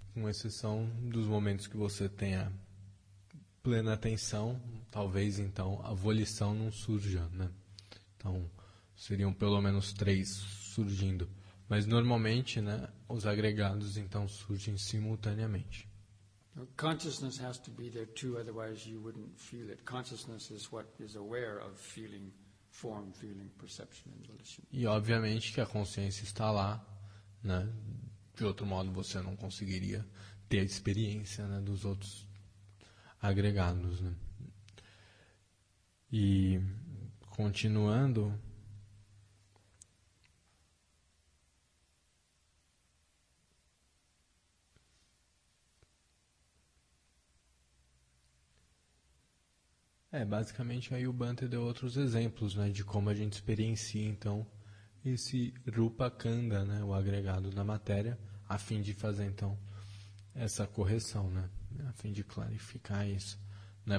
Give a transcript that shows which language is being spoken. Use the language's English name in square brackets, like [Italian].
[Portuguese] Com exceção dos momentos que você tenha plena atenção, talvez então a volição não surja, né? Então seriam pelo menos três surgindo, mas normalmente, né, os agregados então surgem simultaneamente. [English] Consciousness has to be there too, otherwise you wouldn't feel it. Consciousness is what is aware of feeling. Form, feeling, perception and volition. [Portuguese] E obviamente que a consciência está lá, né? De outro modo você não conseguiria ter a experiência, né, dos outros agregados, né? E continuando, basicamente aí o Bhante deu outros exemplos, né, de como a gente experiencia então esse Rupa Kanda, né, o agregado da matéria, a fim de fazer então essa correção, né, a fim de clarificar isso. né?